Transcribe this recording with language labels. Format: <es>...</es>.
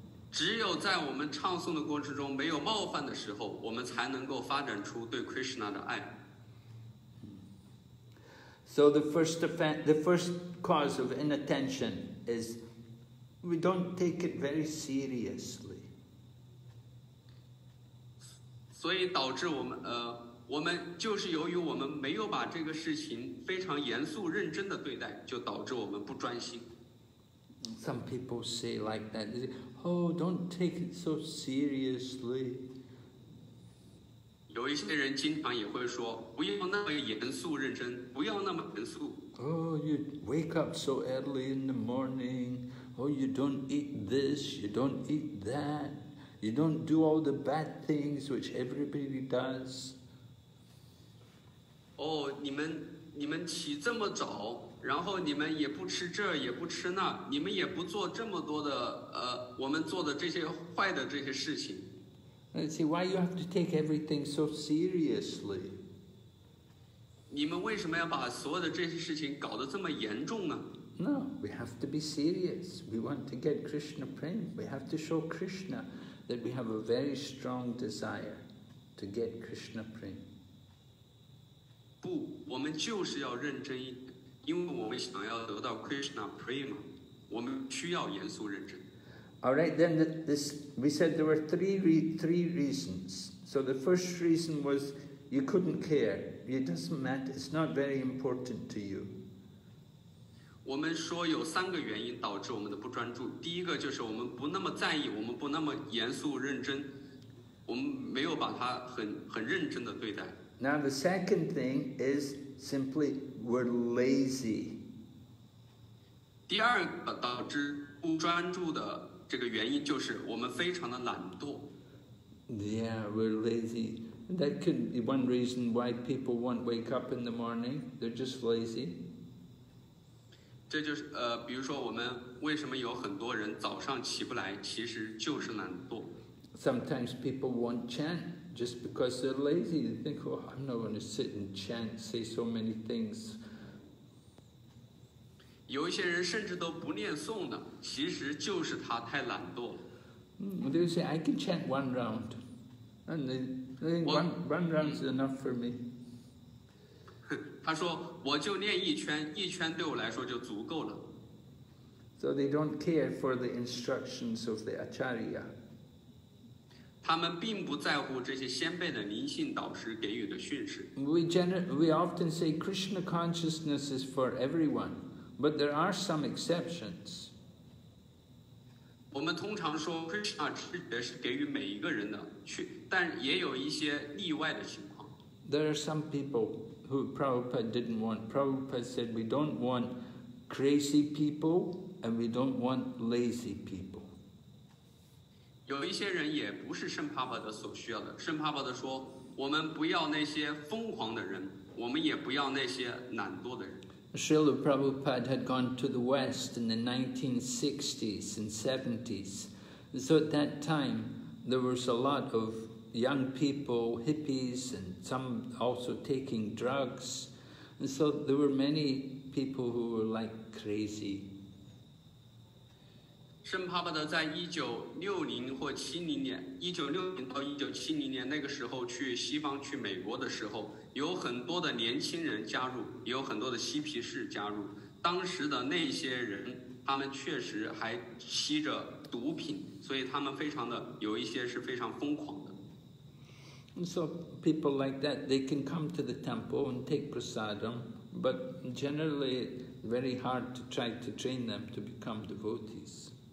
<zh>只有在我们唱诵的过程中没有冒犯的时候，我们才能够发展出对 Krishna 的爱。</zh> <en>So the first cause of inattention is we don't take it very seriously.</en> <zh>所以导致我们就是由于我们没有把这个事情非常严肃认真的对待，就导致我们不专心。</zh> <en>Some people say like that, they say, oh, don't take it so seriously.</en> <zh>有一些人经常也会说，不要那么严肃认真，不要那么严肃。</zh> <en>Oh, you wake up so early in the morning. Oh, you don't eat this, you don't eat that. You don't do all the bad things which everybody does.</en> <zh>Oh, 你们起这么早，然后你们也不吃这也不吃那，你们也不做这么多的我们做的这些坏的这些事情。</zh> <en>Let's see, why you have to take everything so seriously?</en> <zh>你们为什么要把所有的这些事情搞得这么严重呢？</zh> <en>No, we have to be serious. We want to get Krishna Prem. We have to show Krishna that we have a very strong desire to get Krishna Prem.</en> <zh>不，我们就是要认真一点，因为我们想要得到 Krishna Prema， 我们需要严肃认真。</zh> <en>All right, then this we said there were three reasons. So the first reason was you couldn't care. It doesn't matter. It's not very important to you.</en> <zh>我们说有三个原因导致我们的不专注。第一个就是我们不那么在意，我们不那么严肃认真，我们没有把它很认真的对待。</zh> <en>Now the second thing is simply we're lazy.</en> <zh>第二个导致不专注的这个原因就是我们非常的懒惰。</zh> <en>Yeah, we're lazy. That could be one reason why people won't wake up in the morning. They're just lazy.</en> <zh>这就是比如说我们为什么有很多人早上起不来，其实就是懒惰。</zh> <en>Sometimes people won't chant. Just because they're lazy, they think, oh, I'm not going to sit and chant, say so many things.</en> <zh>有一些人甚至都不念诵的，其实就是他太懒惰。</zh> <en>They say, I can chant one round. And they think one round is enough for me.</en> <zh>他说，我就念一圈，一圈对我来说就足够了。</zh> <en>So they don't care for the instructions of the Acharya.</en> <zh>他们并不在乎这些先辈的灵性导师给予的训示。</zh> <en>We often say Krishna consciousness is for everyone, but there are some exceptions.</en> <zh>我们通常说 Krishna 知觉是给予每一个人的，但也有一些例外的情况。</zh> <en>There are some people who Prabhupada didn't want. Prabhupada said we don't want crazy people and we don't want lazy people.</en> <zh>有一些人也不是圣帕帕德所需要的。圣帕帕德说，我们不要那些疯狂的人，我们也不要那些懒惰的人。</zh> <en>Srila Prabhupada had gone to the West in the 1960s and 70s. So at that time, there was a lot of young people, hippies, and some also taking drugs. And so there were many people who were like crazy.</en> <zh>圣帕巴德在1960年到1970年那个时候去西方去美国的时候，有很多的年轻人加入，也有很多的嬉皮士加入。当时的那些人，他们确实还吸着毒品，所以他们非常的有一些是非常疯狂的。</zh> <en>And so people like that, they can come to the temple and take prasadam, but generally very hard to try to train them to become devotees.</en>